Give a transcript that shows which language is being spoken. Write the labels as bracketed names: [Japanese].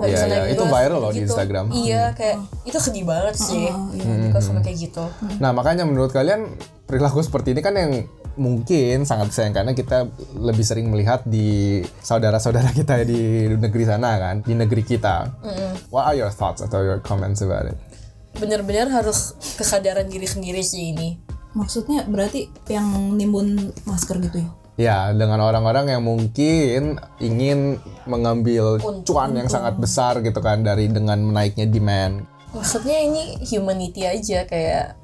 [Indonesian] Iya, itu viral loh gitu. Di Instagram. Iya, kayak itu sedih banget sih, sama kayak gitu. Nah makanya menurut kalian perilaku seperti ini kan yang mungkin sangat sayang karena kita lebih sering melihat di saudara-saudara kita di negeri sana kan, di negeri kita. [English] What are your thoughts atau your comments about it? [Indonesian] Benar-benar harus kesadaran diri sendiri sih ini. Maksudnya berarti yang nimbun masker gitu ya? Ya, dengan orang-orang yang mungkin ingin mengambil cuan yang sangat besar gitu kan dari dengan menaiknya demand. Maksudnya ini humanity aja, kayak